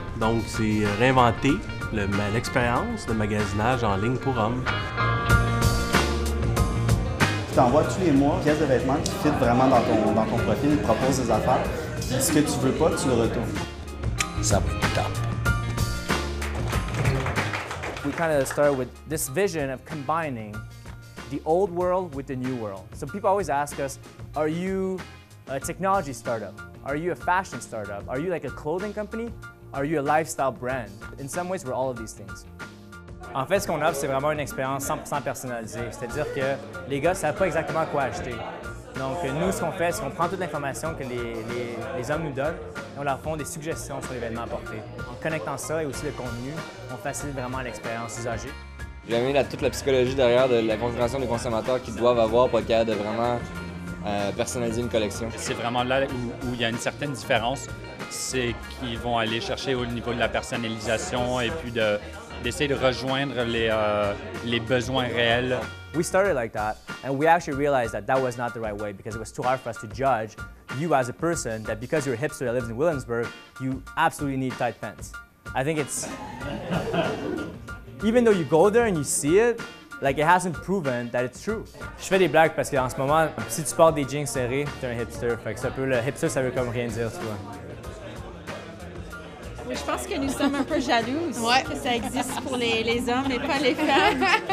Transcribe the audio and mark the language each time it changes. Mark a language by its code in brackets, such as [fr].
[fr] Donc, c'est réinventer l'expérience de magasinage en ligne pour hommes. Tu t'envoies tous les mois pièces de vêtements qui fit vraiment dans ton profil, ils proposent des affaires. Puis ce que tu veux pas, tu le retournes. Ça va être top. [en] We kind of start with this vision of combining the old world with the new world. So people always ask us, are you a technology startup? Are you a fashion startup? Are you like a clothing company? Are you a lifestyle brand? In some ways, we're all of these things. [fr] En fait, ce qu'on offre, c'est vraiment une expérience 100% personnalisée. C'est-à-dire que les gars ne savent pas exactement quoi acheter. Donc nous, ce qu'on fait, c'est qu'on prend toute l'information que les hommes nous donnent et on leur font des suggestions sur l'événement apporté. En connectant ça et aussi le contenu, on facilite vraiment l'expérience usagée. J'aime bien toute la psychologie derrière de la configuration des consommateurs qu'ils doivent avoir pour être capable de vraiment personnaliser une collection. C'est vraiment là où il y a une certaine différence. C'est qu'ils vont aller chercher au niveau de la personnalisation et puis d'essayer de rejoindre les besoins réels. [en] We started like that, and we actually realized that was not the right way because it was too hard for us to judge you as a person that because you're a hipster that lives in Williamsburg, you absolutely need tight pants. I think it's... Even though you go there and you see it, like it hasn't proven that it's true. [fr] Je fais des blagues parce qu'en ce moment, si tu portes des jeans serrés, t'es un hipster. Fait que c'est un peu le hipster, ça veut comme rien dire, tu vois. Je pense que nous sommes un peu jalouses. Ouais. Que ça existe pour les hommes et pas les femmes.